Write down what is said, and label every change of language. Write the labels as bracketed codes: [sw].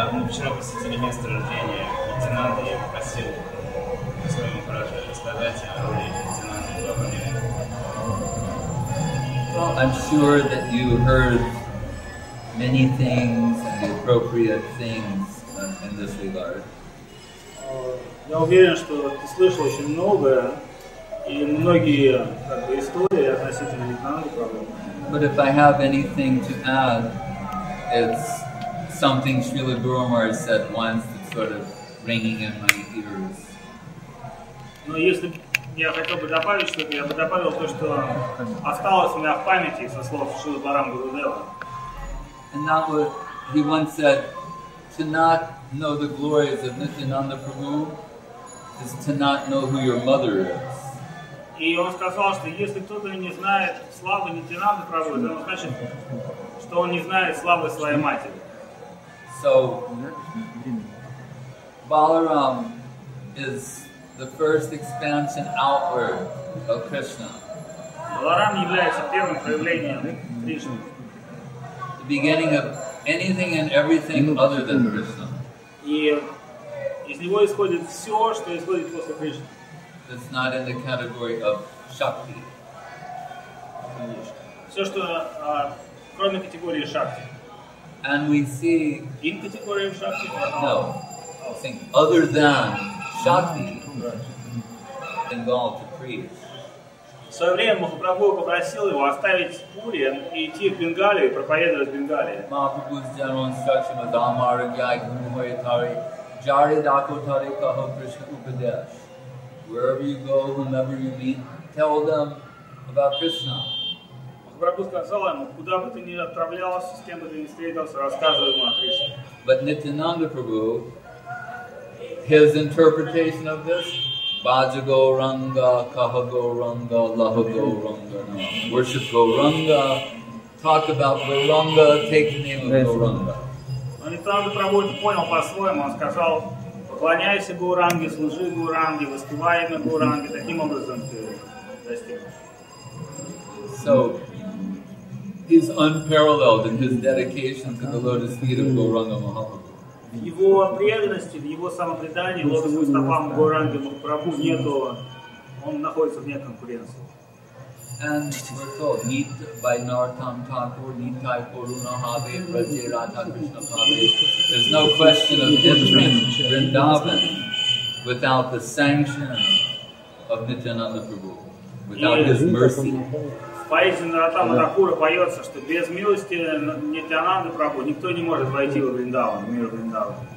[ru] вчера посетили место рождения лейтенанта и попросил в своем фраже рассказать о роли лейтенанта в Афгане. [en] Well, I'm sure that you heard many things and the appropriate things in this regard. [ru] Я уверен, что ты слышал очень многое и многие как бы истории относительно лейтенанта. [en] But if I have anything to add, it's something Srila Guru Maharaj said once that's sort of ringing in my ears. [ru] Но если я хотел бы добавить что-то, я бы добавил то, что осталось у меня в памяти со слов Шрилы Барам Гурудева. [en] And that was, he once said, to not know the glories of Nityananda Prabhu is to not know who your mother is. [ru] И он сказал, что если кто-то не знает славы Нитинанда Прабху, то он значит, что он не знает славы своей матери. [en] So, Balaram is the first expansion outward of Krishna. [ru] Баларам является первым проявлением Кришны. [en] The beginning of anything and everything other than Krishna. [ru] И из него исходит все, что исходит после Кришны. [en] It's not in the category of Shakti. [ru] Все, что кроме категории Shakti. [en] And we see... In category of Shakti? No. Other than Shakti involved to preach. [ru] В свое время Махапрабху попросил его оставить Пури и идти в Бенгалию, проповедовать в Бенгалии. Махапрабху сделал инструкцию на Дамара, Гай, Гумхай, Тари, Джари, Даку, Тари, Кахо, Кришна, Упадеш. [en] Wherever you go, whomever you meet, tell them about Krishna. [ru] Махапрабху сказал ему, куда бы ты ни отправлялся, с кем бы ты ни встретился, рассказывай ему о Кришне. [en] But Nityananda Prabhu, his interpretation of this, [bn] Bhaja Gauranga, Kaha Gauranga, Laha Gauranga, [en] no. Worship Gauranga, talk about Gauranga, take the name of Gauranga. [ru] Nityananda Prabhu это понял по-своему, он сказал, поклоняйся Гауранге, служи Гауранге, воспевай имя Гауранге, таким образом ты достигнешь. [en] So, he's unparalleled in his dedication to the lotus feet of Gauranga Mahaprabhu. [ru] В его преданности, в его самопредании, лотосным стопам Гауранги Махапрабху нету, он находится вне конкуренции. [en] And we're told, Neet by Nartam Thakur, [bn] Neet Thai Purunahave, Raja Radha Krishna Pave. [en] There's no question of entering Vrindavan without the sanction of Nityananda Prabhu, without his mercy. [ru] В поэзии Нартам Тхакура поется, что без милости Нитянанда Прабху никто не может войти в Вриндаван, в мир Вриндаван.